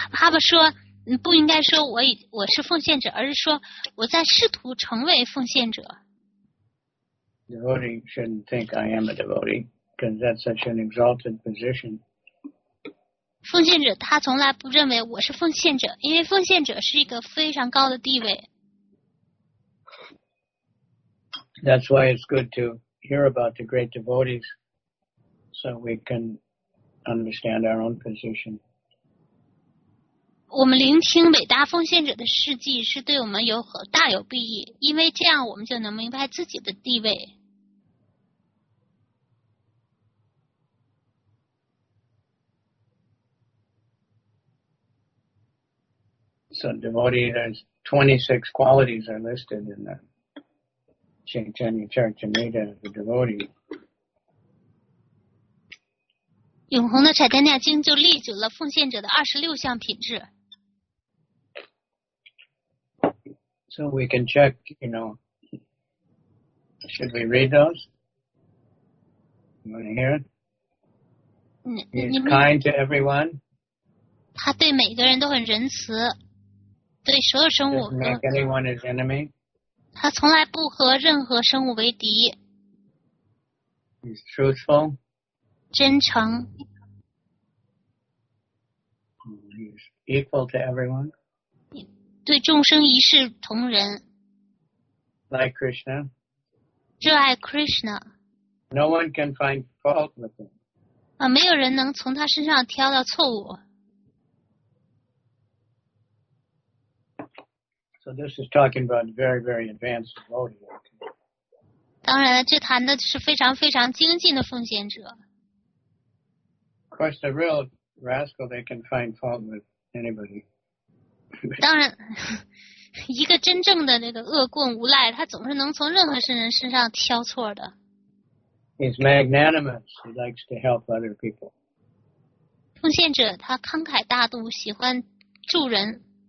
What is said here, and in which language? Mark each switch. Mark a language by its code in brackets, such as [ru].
[zh] 爸爸说不应该说我是奉献者，而是说我在试图成为奉献者。 [en] devotee shouldn't think I am a devotee, because that's such an exalted position. [zh] 奉献者他从来不认为我是奉献者，因为奉献者是一个非常高的地位。 [en] That's why it's good to hear about the great devotees, so we can understand our own position. [zh] 我们聆听伟大奉献者的事迹是对我们有大有裨益，因为这样我们就能明白自己的地位。 [en] So devotee, there's 26 qualities are listed in the Chaitanya Charitamrita of the devotee. [zh] 永恒的柴丹尼亚经就列举了奉献者的26项品质。 [en] So we can check, you know, should we read those? You want to hear it? He's kind to everyone. [zh] 他对每个人都很仁慈。对所有生物，他从来不和任何生物为敌。 [en] He's truthful. [zh] 真诚。 [en] He's equal to everyone. [zh] 对众生一视同仁。 [en] Like Krishna. [zh] 热爱 Krishna. [en] No one can find fault with him. [zh] 啊，没有人能从他身上挑到错误。 [en] So this is talking about very, very advanced devotees. [zh] 当然，这谈的是非常非常精进的奉献者。 [en] Of course, the real rascal, they can find fault with anybody. [zh] 当然，一个真正的那个恶棍无赖，他总是能从任何人身上挑错的。 [en] He's magnanimous. He likes to help other people. [zh] 奉献者他慷慨大度，喜欢助人。